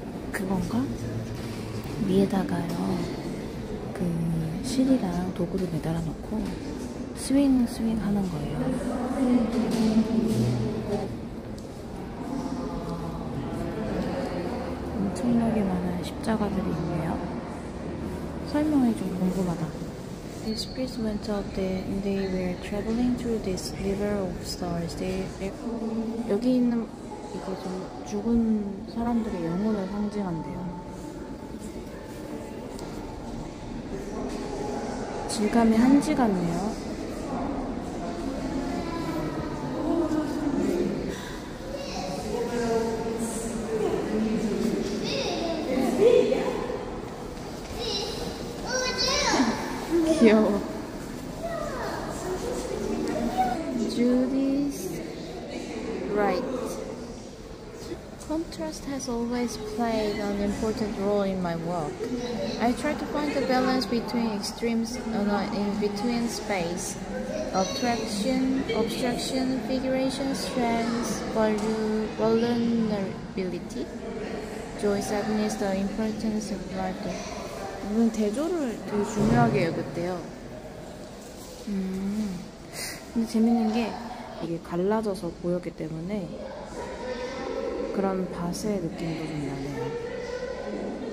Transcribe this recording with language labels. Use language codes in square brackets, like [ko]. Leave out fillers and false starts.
[ko] 그건가? 위에다가요. 실이랑 도구를 매달아놓고 스윙 하는 거예요. 엄청나게 많은 십자가들이 있네요. 설명이 좀 궁금하다. [en] This priest went up there and they were traveling through this river of stars. They... [ko] 여기 있는 이게 좀 죽은 사람들의 영혼을 상징한대요. 질감의 한지 같네요. 귀여워. [en] 주디스 라이트. Contrast has always played an important role in my work. I try to find the balance between extremes and in between space. Obstruction, figuration, strength, vulnerability, joy, sadness, the importance of life. [ko] 이분 대조를 되게 중요하게 여겼대요. 근데 재밌는 게 이게 갈라져서 보였기 때문에 그런 밭의 느낌도 좀 나네요.